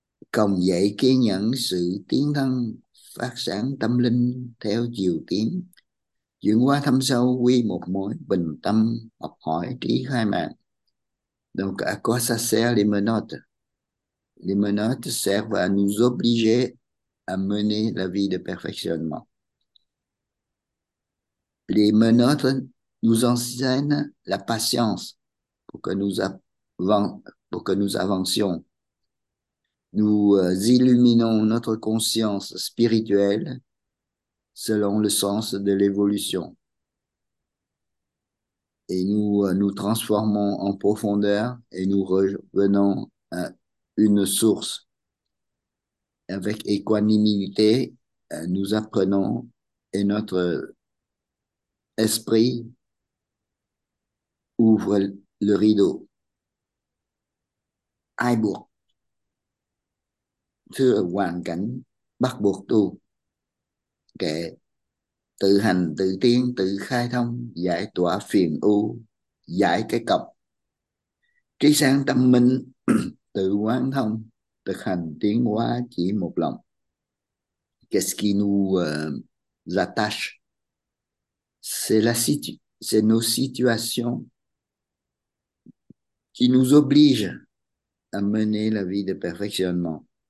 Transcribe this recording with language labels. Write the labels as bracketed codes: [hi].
[vi] Còn dạy kiên nhẫn sự tiến thân, phát sáng tâm linh theo chiều tiến, chuyển qua thâm sâu quy một mối, bình tâm học hỏi trí khai mạng. [fr] Donc à quoi ça sert les menottes? Les menottes servent à nous obliger à mener la vie de perfectionnement. Les menottes nous enseignent la patience pour que nous avancions. Nous illuminons notre conscience spirituelle selon le sens de l'évolution. Et nous nous transformons en profondeur et nous revenons à une source. Avec équanimité, nous apprenons et notre esprit ouvre le rideau. [vi] Ai buộc? Thưa, hoàn cảnh bắt buộc tu. Kệ, tự hành, tự tiến, tự khai thông, giải tỏa phiền ưu, giải cái cọc. Trí sáng tâm minh, tự quán thông, thực hành tiến hóa chỉ một lòng. [fr] Qu'est-ce qui nous attache? C'est nos situations qui nous obligent à mener la vie de perfectionnement.